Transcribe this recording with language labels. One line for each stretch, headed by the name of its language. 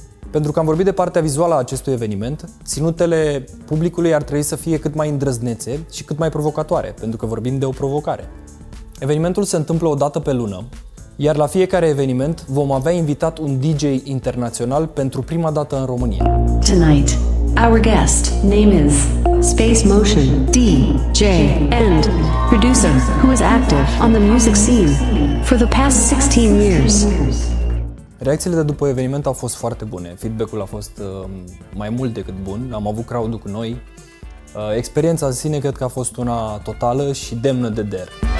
Romanian: Pentru că am vorbit de partea vizuală a acestui eveniment, ținutele publicului ar trebui să fie cât mai îndrăznețe și cât mai provocatoare, pentru că vorbim de o provocare. Evenimentul se întâmplă o dată pe lună, iar la fiecare eveniment vom avea invitat un DJ internațional pentru prima dată în România.
English: Tonight, our guest name is Space Motion, DJ and producer who is active on the music scene for the past 16 years.
Romanian: Reacțiile de după eveniment au fost foarte bune. Feedback-ul a fost mai mult decât bun. Am avut crowd-ul cu noi. Experiența în sine cred că a fost una totală și demnă de DARE.